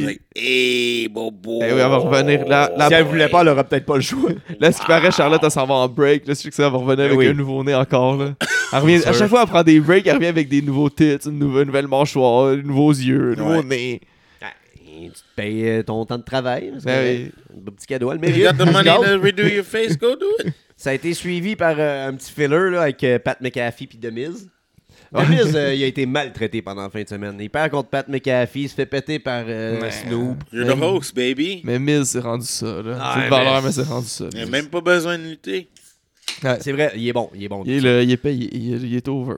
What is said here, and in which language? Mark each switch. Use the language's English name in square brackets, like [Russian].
[French] Tout, like, hey, bobo. Eh oui, elle va revenir. Si elle voulait pas, elle aurait peut-être pas le choix. Là, ce qui paraît, Charlotte, elle s'en va en break. Là, je sais que ça va revenir avec un nouveau nez encore, là. Revient, à chaque fois qu'elle prend des breaks, elle revient avec des nouveaux tits, une nouvelle mâchoire, de nouveaux yeux, un nouveau nez. Tu te payes ton temps de travail. Un petit cadeau, elle met. [English] You got the money to redo your face, go do it. [French] Ça a été suivi par un petit filler là, avec Pat McAfee et The Miz. Miz, il a été maltraité pendant la fin de semaine. Il perd contre Pat McAfee, il se fait péter par Snoop. [English] You're the host, baby. [French] Mais Miz s'est rendu ça. Là. Ah, c'est une valeur, mais s'est rendu ça. Il n'a même pas besoin de lutter. Ouais. C'est vrai, il est bon. Il est over.